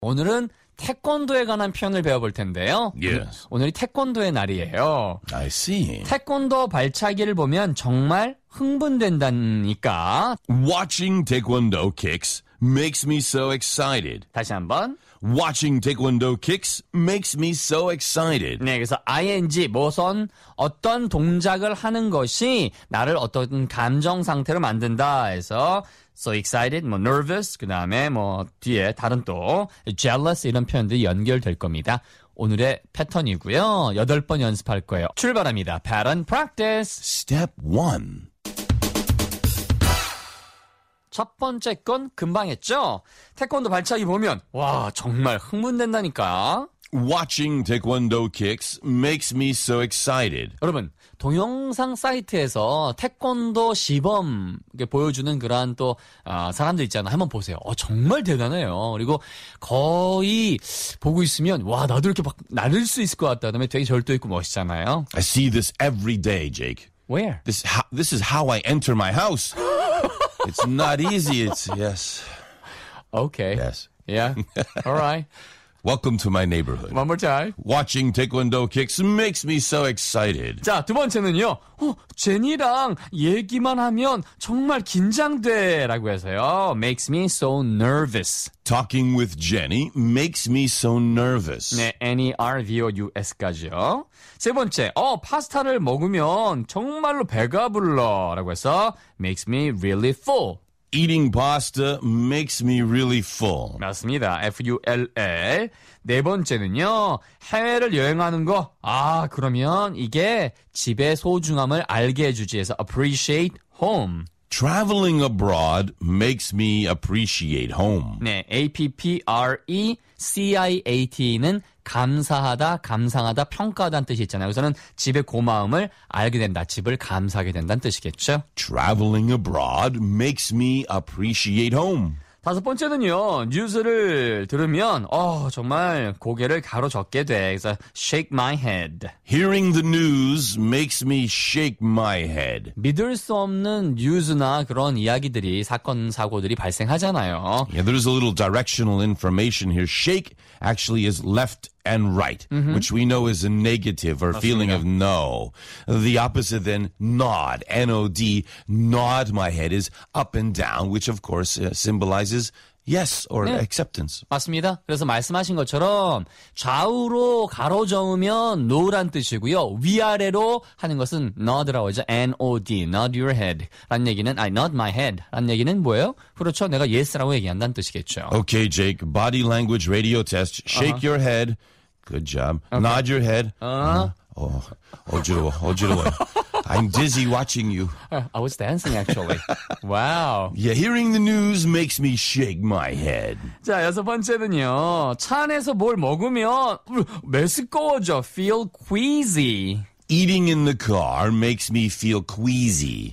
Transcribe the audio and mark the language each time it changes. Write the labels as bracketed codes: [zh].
[ko] 오늘은 태권도에 관한 표현을 배워볼 텐데요. [en] Yes. [ko] 오늘이 태권도의 날이에요. [en] I see. [ko] 태권도 발차기를 보면 정말 흥분된다니까. [en] Watching taekwondo kicks makes me so excited. [ko] 다시 한번. [en] Watching taekwondo kicks makes me so excited. [ko] 네, 그래서 ing, 모선, 어떤 동작을 하는 것이 나를 어떤 감정 상태로 만든다 해서 so excited, 뭐 nervous, 그 다음에 뭐 뒤에 다른 또 jealous 이런 표현들이 연결될 겁니다. 오늘의 패턴이고요. 여덟 번 연습할 거예요. 출발합니다. [en] Pattern practice. Step 1. [ko] 첫 번째 건 금방 했죠? 태권도 발차기 보면 와 정말 흥분된다니까. [en] Watching taekwondo kicks makes me so excited. [ko] 여러분 동영상 사이트에서 태권도 시범 보여주는 그러한 또 사람들 있잖아요. 한번 보세요. 정말 대단해요. 그리고 거의 보고 있으면 와 나도 이렇게 막 나를 수 있을 것 같다. 되게 절도 있고 멋있잖아요. [en] I see this every day, Jake. Where? This is how I enter my house. It's not easy. It's yes. Okay. Yes. Yeah. All right. Welcome to my neighborhood. One more time. Watching taekwondo kicks makes me so excited. [ko] 자, 두 번째는요. 제니랑 얘기만 하면 정말 긴장돼라고 해서요. [en] Makes me so nervous. Talking with Jenny makes me so nervous. [ko] 네, N-E-R-V-O-U-S까지요. 세 번째, 파스타를 먹으면 정말로 배가 불러라고 해서 makes me really full. [en] Eating pasta makes me really full. [ko] 맞습니다. F-U-L-L. 네 번째는요. 해외를 여행하는 거. 아, 그러면 이게 집의 소중함을 알게 해주지 해서 appreciate home. [en] Traveling abroad makes me appreciate home. [ko] 네, appreciate는 감사하다, 감상하다, 평가하다는 뜻이 있잖아요. 그래서는 집의 고마움을 알게 된다, 집을 감사하게 된다는 뜻이겠죠. [en] Traveling abroad makes me appreciate home. [ko] 다섯 번째는요, 뉴스를 들으면 정말 고개를 가로젓게 돼. [en] 그래서 shake my head. Hearing the news makes me shake my head. [ko] 믿을 수 없는 뉴스나 그런 이야기들이 사건 사고들이 발생하잖아요. [en] Yeah, there is a little directional information here. Shake actually is left and right, mm-hmm. which we know is a negative or feeling of no. The opposite then, nod, N-O-D, nod my head is up and down, which of course symbolizes yes or 네. acceptance. [ko] 맞습니다. 그래서 말씀하신 것처럼 좌우로 가로저으면 no란 뜻이고요. 위아래로 하는 것은 nod라고 하죠. [en] N-O-D, nod your head. [ko] 라는 얘기는, nod my head. 라는 얘기는 뭐예요? 그렇죠. 내가 yes라고 얘기한다는 뜻이겠죠. [en] Okay, Jake. Body language radio test. Shake your head. Good job. Okay. Nod your head. [ko] Oh, 어지러워. 어지러워요. I'm dizzy watching you. [en] I was dancing, actually. Wow. Yeah, hearing the news makes me shake my head. [ko] 자, 여섯 번째는요. 차 안에서 뭘 먹으면 메스꺼워져. [en] Feel queasy. Eating in the car makes me feel queasy.